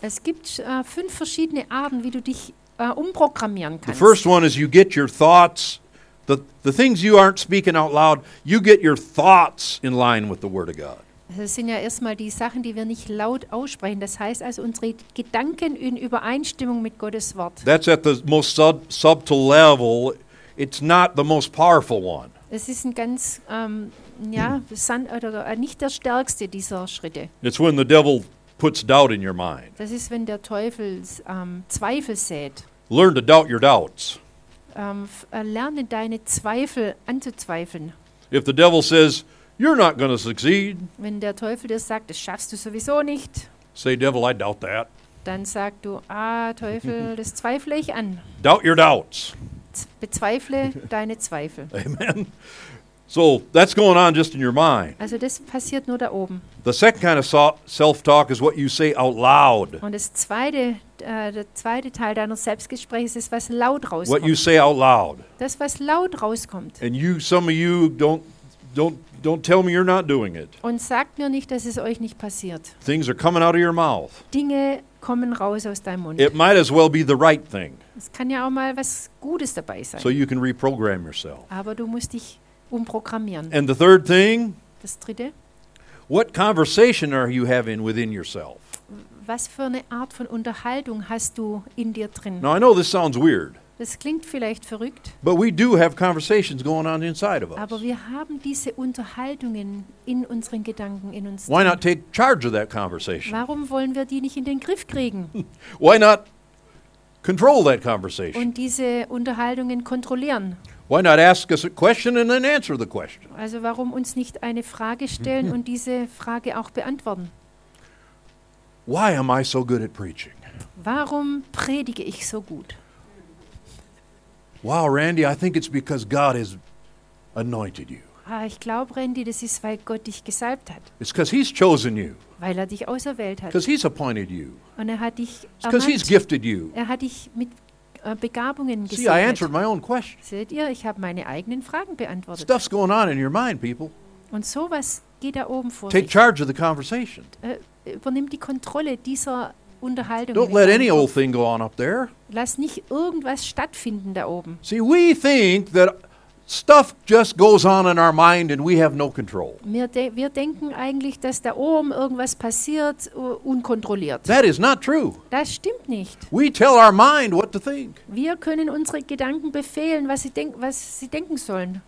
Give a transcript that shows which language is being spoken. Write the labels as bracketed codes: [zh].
[de] Es gibt fünf verschiedene Arten, wie du dich umprogrammieren kannst. [en] The first one is you get your thoughts, the things you aren't speaking out loud, you get your thoughts in line with the Word of God. [de] Das sind ja erstmal die Sachen, die wir nicht laut aussprechen. Das heißt also unsere Gedanken in Übereinstimmung mit Gottes Wort. [en] That's at the most subtle level. It's not the most powerful one. [de] Es ist ein ganz nicht der stärkste dieser Schritte. [en] It's when the devil puts doubt in your mind. [de] Das ist, wenn der Teufel Zweifel sät. [en] Learn to doubt your doubts. [de] Lerne deine Zweifel anzuzweifeln. [en] If the devil says you're not going to succeed, [de] wenn der Teufel dir sagt, das schaffst du sowieso nicht, [en] say devil, I doubt that. [de] Dann sag du, Teufel, das zweifle ich an. [en] Doubt your doubts. [de] Bezweifle deine Zweifel. [en] Amen. So that's going on just in your mind. [de] Also das passiert nur da oben. [en] The second kind of self-talk is what you say out loud. [de] Und das zweite, der zweite Teil deiner Selbstgespräche ist, was laut rauskommt. [en] What you say out loud. [de] Das, was laut rauskommt. [en] And you, some of you don't tell me you're not doing it. [de] Und sagt mir nicht, dass es euch nicht passiert. [en] Things are coming out of your mouth. [de] Dinge kommen raus aus deinem Mund. [en] It might as well be the right thing. [de] Es kann ja auch mal was Gutes dabei sein. [en] So you can reprogram yourself. [de] Aber du musst dich umprogrammieren. [en] And the third thing. [de] Das dritte. [en] What conversation are you having within yourself? [de] Was für eine Art von Unterhaltung hast du in dir drin? [en] Now I know this sounds weird. [de] Das klingt vielleicht verrückt. [en] But we do have conversations going on inside of us. [de] Aber wir haben diese Unterhaltungen in unseren Gedanken in uns. [en] Why not take charge of that conversation? [de] Warum wollen wir die nicht in den Griff kriegen? [en] Why not control that conversation? [de] Und diese Unterhaltungen kontrollieren. [en] Why not ask us a question and then answer the question? [de] Also warum uns nicht eine Frage stellen und diese Frage auch beantworten? [en] Why am I so good at preaching? [de] Warum predige ich so gut? [en] Wow, Randy, I think it's because God has anointed you. [de] Ich glaube, Randy, das ist, weil Gott dich gesalbt hat. [en] It's because he's chosen you. [de] Weil er dich auserwählt hat. [en] Because he's appointed you. [de] Und er hat dich ermannt. [en] Because he's gifted you. [de] Er hat dich mit Begabungen gesegnet. [en] See, I answered my own question. [de] Seht ihr, ich habe meine eigenen Fragen beantwortet. [en] Stuff's going on in your mind, people. [de] Und sowas geht da oben vor. [en] Take charge of the conversation. [de] Übernimm die Kontrolle dieser Unterhaltung. [en] Don't let any old thing go on up there. [de] Lass nicht irgendwas stattfinden da oben. [en] See, we think that stuff just goes on in our mind and we have no control. [de] Wir denken eigentlich, dass da oben irgendwas passiert, unkontrolliert. [en] That is not true. [de] Das stimmt nicht. [en] We tell our mind what to think. [de] Wir können unsere Gedanken befehlen, was sie denken sollen.